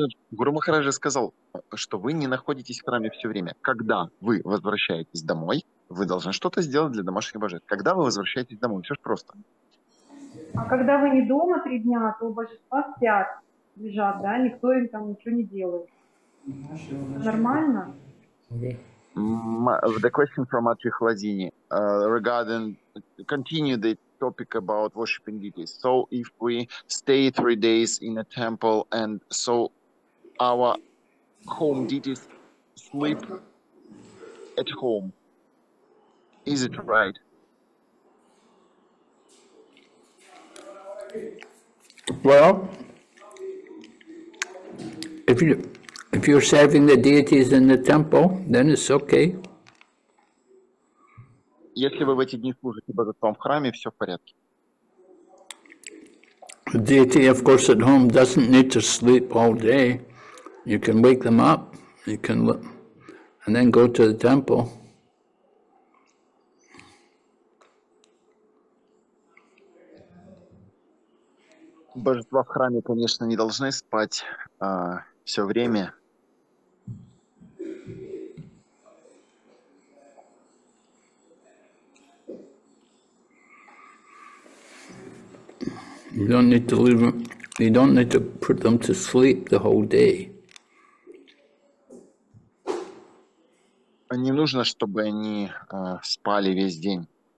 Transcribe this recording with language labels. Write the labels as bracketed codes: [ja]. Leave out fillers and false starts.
[ru] Гуру Махараджи сказал, что вы не находитесь в храме все время. Когда вы возвращаетесь домой, вы должны что-то сделать для домашних божеств. Когда вы возвращаетесь домой, все же просто. А когда вы не дома 3 дня, то божества спят, лежат, да, никто им там ничего не делает. Нормально? [en] Okay. The question from Atri Khaladini regarding, continue the topic about worshiping deities. So if we stay 3 days in a temple and so our home deities sleep at home, is it right? Well, if you're serving the deities in the temple, then it's okay. [ru] Если вы в эти дни служите божествам в храме, все в порядке. [en] The deity, of course, at home doesn't need to sleep all day. You can wake them up, you can look, and then go to the temple. [ru] Божества в храме, конечно, не должны спать все время. [en] You don't need to leave them. You don't need to put them to sleep the whole day. [ru] Не нужно, чтобы они спали весь день.